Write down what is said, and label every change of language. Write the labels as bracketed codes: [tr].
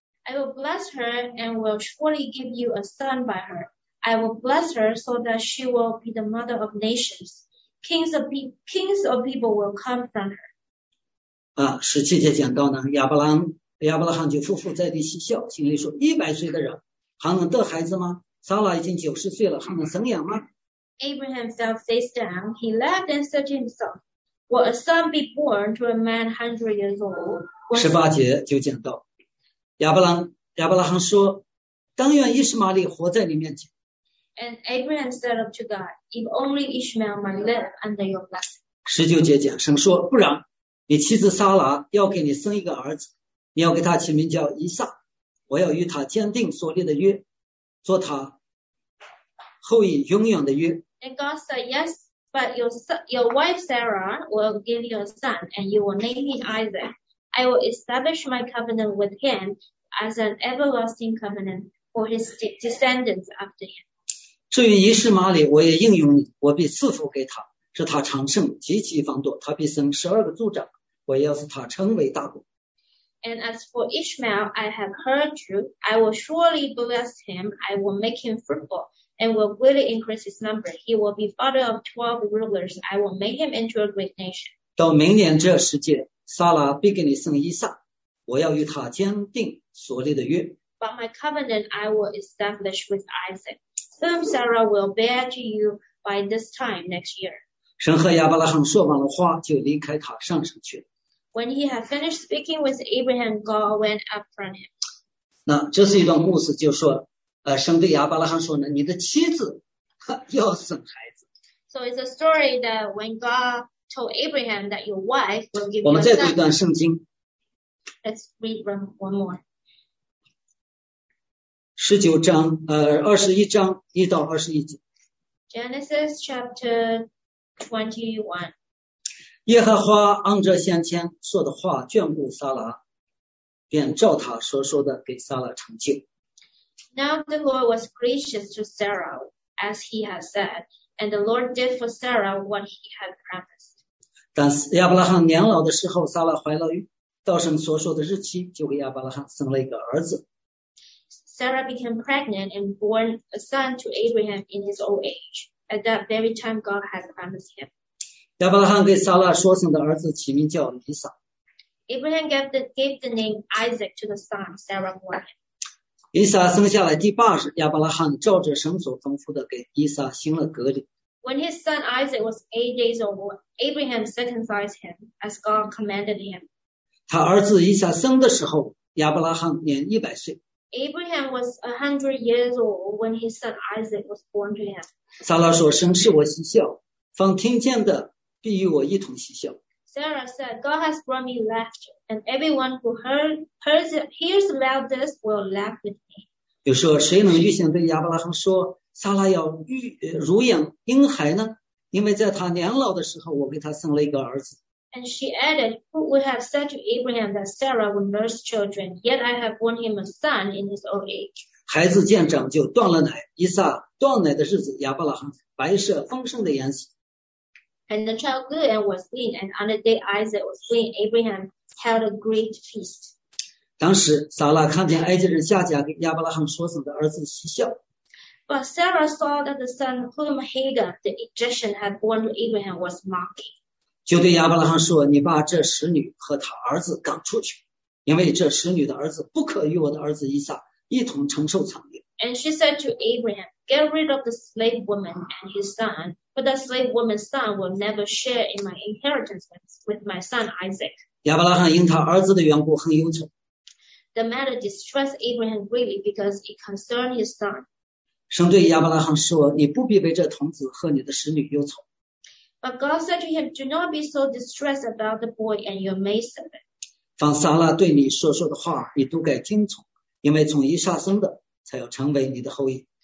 [en] I will bless her and will surely give you a son by her. I will bless her so that she will be the mother of nations. Kings of people will come from her. [zh] 啊，十七节讲到呢，亚伯拉罕就夫妇在地嬉笑，心里说：一百岁的人还能得孩子吗？撒拉已经九十岁了，还能生养吗 [en] ？Abraham fell face down. He laughed and said to himself. Will a son be born to a man 100 years old? [zh] 十八节就讲到，亚伯拉罕说，但愿以实玛利活在你面前。 [en] And Abraham said unto God, if only Ishmael might live under your blessing. [zh] 十九节讲，神说，不然，你妻子撒拉要给你生一个儿子，你要给他起名叫以撒，我要与他坚定所立的约，做他后裔永远的约。 [en] And God said yes. But your wife Sarah will give you a son, and you will name him Isaac. I will establish my covenant with him as an everlasting covenant for his descendants after him. [zh] 至于以实玛利，我也应允你，我必赐福给他，使他长盛，极其繁多，他必生十二个族长，我要使他成为大国。 [en] And as for Ishmael, I have heard you. I will surely bless him. I will make him fruitful and will greatly increase his number. He will be father of 12 rulers. I will make him into a great nation. [zh] 到明年这时节，撒拉必给你生以撒，我要与他坚定所立的约。 [en] But my covenant I will establish with Isaac, whom Sarah will bear to you by this time next year. [zh] 神和亚伯拉罕说完了话，就离开他上山去了。 [en] When he had finished speaking with Abraham, God went up from him. [zh] 那这是一段牧师就说，神对亚伯拉罕说呢，你的妻子要生孩子。 [en] So it's a story that when God told Abraham that your wife will give you a son. [zh] 我们再读一段圣经。 [en] Let's read one more. [zh] 21章1-21节。 [en] Genesis chapter 21. [zh] 耶和华按着先前说的话眷顾撒拉，便照他所说的给撒拉成就。 [en] Now the Lord was gracious to Sarah, as he had said, and the Lord did for Sarah what he had promised. [zh] 但亚伯拉罕年老的时候，撒拉怀了孕，到神所说的日期，就给亚伯拉罕生了一个儿子。 [en] Sarah became pregnant and born a son to Abraham in his old age, at that very time God had promised him. [zh] 亚伯拉罕给撒拉所生的儿子起名叫以撒。 [en] Abraham gave the name Isaac to the son Sarah bore him. [zh] 以撒生下来第八日，亚伯拉罕照着神所吩咐的给以撒行了割礼。 [en] When his son Isaac was 8 days old, Abraham circumcised him as God commanded him. [zh] 他儿子以撒生的时候，亚伯拉罕年100岁。 [en] Abraham was 100 years old when his son Isaac was born to him. [zh] 撒拉说：“神使我喜笑。” 方听见的必与我一同喜笑。 [en] Sarah said, God has brought me laughter, and everyone who hears about this will laugh with me. [zh] 又说谁能预先对亚伯拉罕说撒拉要乳养婴孩呢？因为在他年老的时候，我给他生了一个儿子。 [en] And she added, Who would have said to Abraham that Sarah would nurse children? Yet I have borne him a son in his old age. [zh] 孩子见长就断了奶，以撒断奶的日子，亚伯拉罕白色丰盛的筵席。 [en] And the child grew and was lean, and on the day Isaac was lean, Abraham held a great feast. [zh] 当时撒拉看见埃及人夏甲给亚伯拉罕所生的儿子喜笑。 [en] But Sarah saw that the son whom Hagar, the Egyptian, had born to Abraham was mocking. [zh] 就对亚伯拉罕说：“你把这使女和她儿子赶出去，因为这使女的儿子不可与我的儿子以撒一同承受产业。” [en] And she said to Abraham, "Get rid of the slave woman and his son." But that slave woman's son will never share in my inheritance with my son Isaac. [zh] 亚伯拉罕因他儿子的缘故很忧愁。 [en] The matter distressed Abraham greatly because it concerned his son. [zh] 神对亚伯拉罕说：“你不必为这童子和你的使女忧愁。” [en] But God said to him, "Do not be so distressed about the boy and your maidservant." [zh] 凡撒拉对你说的话，你都该听从，因为从以撒生的才要成为你的后裔。